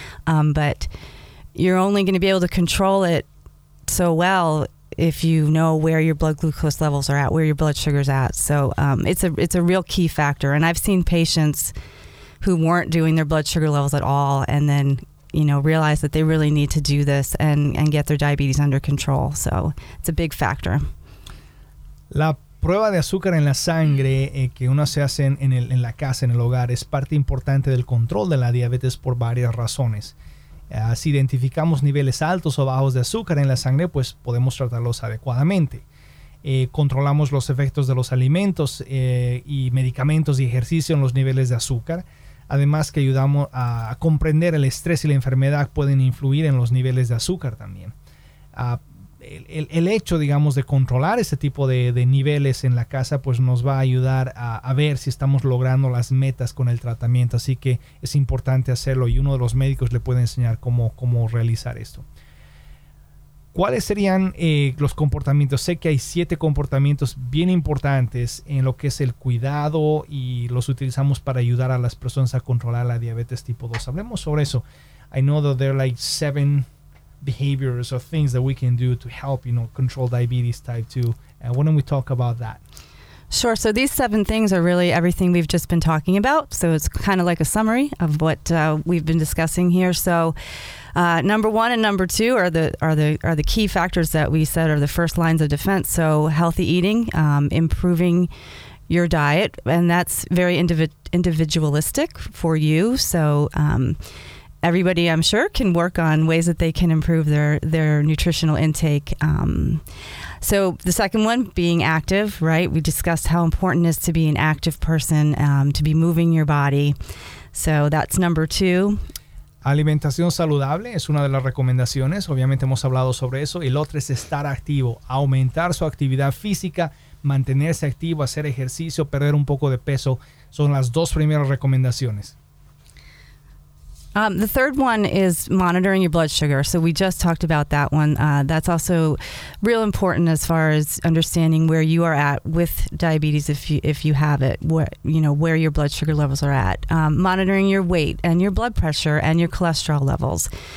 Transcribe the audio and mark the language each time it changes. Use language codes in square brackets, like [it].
[en] But you're only going to be able to control it so well if you know where your blood glucose levels are at, where your blood sugar's at. So it's a real key factor. And I've seen patients who weren't doing their blood sugar levels at all and then, you know, realize that they really need to do this and get their diabetes under control. So it's a big factor. [es] La prueba de azúcar en la sangre que uno se hace en la casa, en el hogar, es parte importante del control de la diabetes por varias razones. Si identificamos niveles altos o bajos de azúcar en la sangre, pues podemos tratarlos adecuadamente. Controlamos los efectos de los alimentos y medicamentos y ejercicio en los niveles de azúcar. Además que ayudamos a comprender el estrés y la enfermedad pueden influir en los niveles de azúcar también. El hecho, digamos, de controlar ese tipo de niveles en la casa, pues nos va a ayudar a ver si estamos logrando las metas con el tratamiento. Así que es importante hacerlo y uno de los médicos le puede enseñar cómo realizar esto. ¿Cuáles serían los comportamientos? Sé que hay 7 comportamientos bien importantes en lo que es el cuidado y los utilizamos para ayudar a las personas a controlar la diabetes tipo 2. Hablemos sobre eso. [en] I know that there are like 7 behaviors or things that we can do to help, you know, control diabetes type 2. Why don't we talk about that? Sure. So these 7 things are really everything we've just been talking about. So it's kind of like a summary of what we've been discussing here. So number 1 and number 2 are the key factors that we said are the first lines of defense. So healthy eating, improving your diet, and that's very individualistic for you. So everybody, I'm sure, can work on ways that they can improve their nutritional intake. So the second one, being active, right? We discussed how important it is to be an active person, to be moving your body. So that's number 2. [es] Alimentación saludable es una de las recomendaciones. Obviamente hemos hablado sobre eso. El otro es estar activo, aumentar su actividad física, mantenerse activo, hacer ejercicio, perder un poco de peso. Son las 2 primeras recomendaciones. [en] The third one is monitoring your blood sugar. So we just talked about that one. That's also real important as far as understanding where you are at with diabetes, if you have it, where your blood sugar levels are at. Monitoring your weight and your blood pressure and your cholesterol levels.